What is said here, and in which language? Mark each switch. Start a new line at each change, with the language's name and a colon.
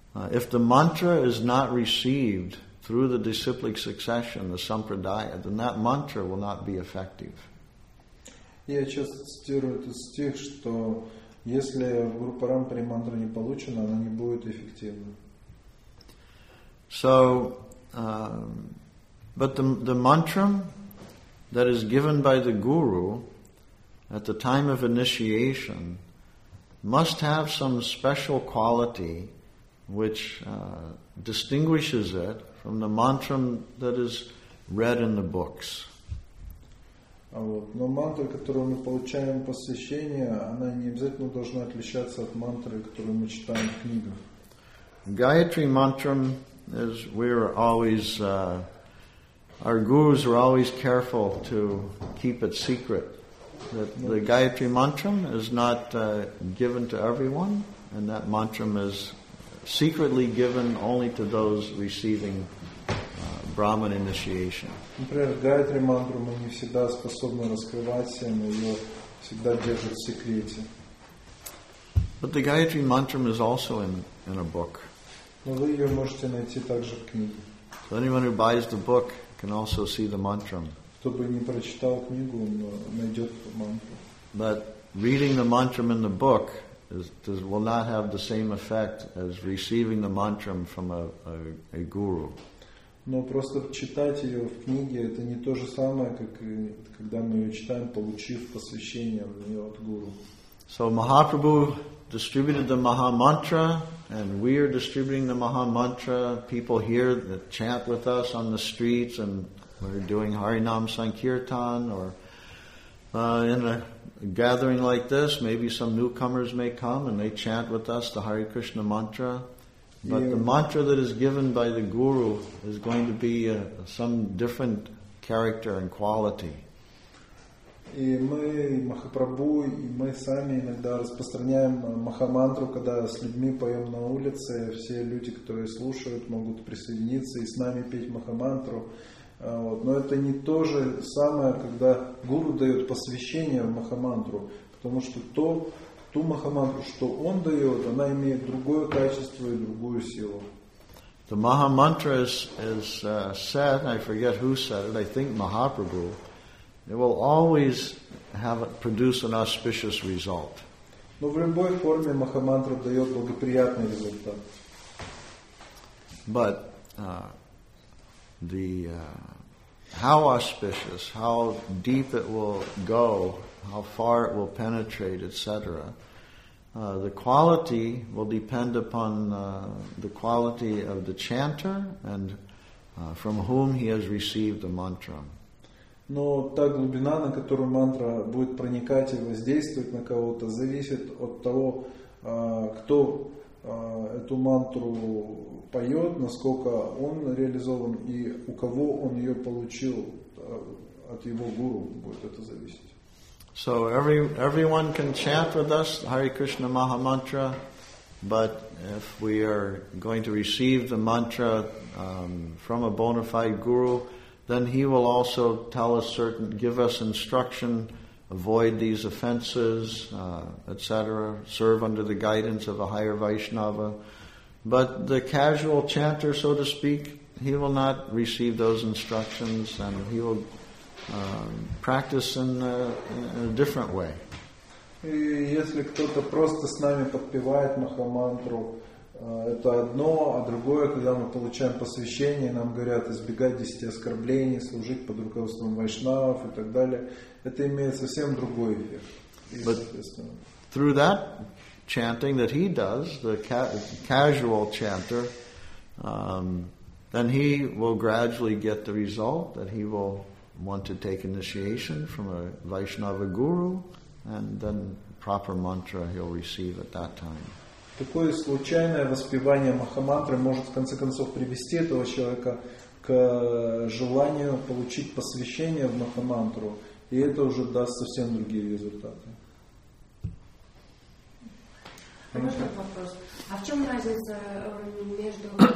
English: If the mantra is not received through the disciplic succession, the sampradaya, then that mantra will not be effective.
Russian: Я часто цитирую этот стих, что если в Гуру Парампаре мантра не получена, она не будет эффективна.
English: So, but the mantra that is given by the Guru at the time of initiation must have some special quality which distinguishes it from the mantra that is read in the books.
Russian: Но мантра, которую мы получаем в посвящении, она не обязательно должна отличаться от мантры, которую мы читаем в книгах.
English: Gayatri mantra is our gurus were always careful to keep it secret. That the Gayatri mantra is not given to everyone, and that mantra is secretly given only to those receiving Brahman initiation.
Russian: Например, Гайатри мантру мы не всегда способны раскрывать, мы ее всегда держим в секрете.
English: But the Gayatri Mantram is also in a book.
Russian: Но вы ее можете найти также в книге.
English: So anyone who buys the book can also see the mantram.
Russian: Кто бы не прочитал книгу, найдет мантру.
English: But reading the mantram in the book will not have the same effect as receiving the mantram from a guru.
Russian: Но просто читать ее в книге это не то же самое, как когда мы ее читаем, получив посвящение в нее от гуру.
English: So Mahaprabhu distributed the Maha Mantra, and we are distributing the Maha Mantra. People hear the chant with us on the streets, and we're doing Harinam Sankirtan, or in a gathering like this, maybe some newcomers may come and they chant with us the Hare Krishna Mantra. But the mantra that is given by the Guru is going to be some different character and quality.
Russian: И мы, Махапрабху, и мы сами иногда распространяем Махамантру, когда с людьми поем на улице, все люди, которые слушают, могут присоединиться и с нами петь Махамантру. Вот. Но это не то же самое, когда гуру дает посвящение в Махамантру, потому что ту Махамантру, что он дает, она имеет другое качество и другую силу.
English: The Mahamantra is said, I forget who said it, I think Mahaprabhu, it will always produce an auspicious result.
Russian: Но в любой форме Махамантра дает благоприятный результат.
English: But how auspicious, how deep it will go, how far it will penetrate, etc. The quality will depend upon the quality of the chanter and from whom he has received the mantra.
Russian: Но та глубина, на которую мантра будет проникать и воздействовать на кого-то, зависит от того, кто эту мантру поет, насколько он реализован и у кого он ее получил, от его гуру будет это зависеть.
English: So everyone can chant with us Hare Krishna Maha Mantra, but if we are going to receive the mantra from a bona fide guru, then he will also tell us certain, give us instruction, avoid these offenses, etc., serve under the guidance of a higher Vaishnava. But the casual chanter, so to speak, he will not receive those instructions and he will practice in a different way.
Russian: Если кто-то просто с нами подпевает Махамантру, это одно, а другое, когда мы получаем посвящение, нам говорят избегать 10 оскорблений, служить под руководством вайшнавов и так далее. Это имеет совсем другой эффект.
English: Through that chanting that he does, the casual chanter, then he will gradually get the result that he will want to take initiation from a Vaishnava guru, and then proper mantra he'll receive at that time.
Russian: Такое случайное воспевание Махамантры может в конце концов привести этого человека к желанию получить посвящение в Махамантру, и это уже даст совсем другие результаты. Вопрос. А в чем разница между...